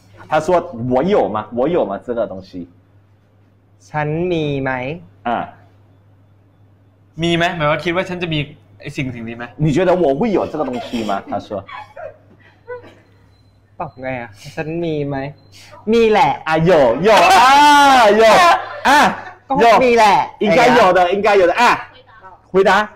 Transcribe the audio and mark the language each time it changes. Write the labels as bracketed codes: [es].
[zh] 他说我有吗我有吗这个东西 [th] ฉันมีไหม มีไหมหมายว่าคิดว่าฉันจะมีไอสิ่งสิ่งนี้ไหม นี่คิดว่า [zh] 我会有这个东西吗他说 [th] ตอบไงอ่ะฉันมีไหมมีแหละ อ่ะ [zh] 有有啊有啊有 [th] มีแหละ [zh] 应该有的应该有的啊回答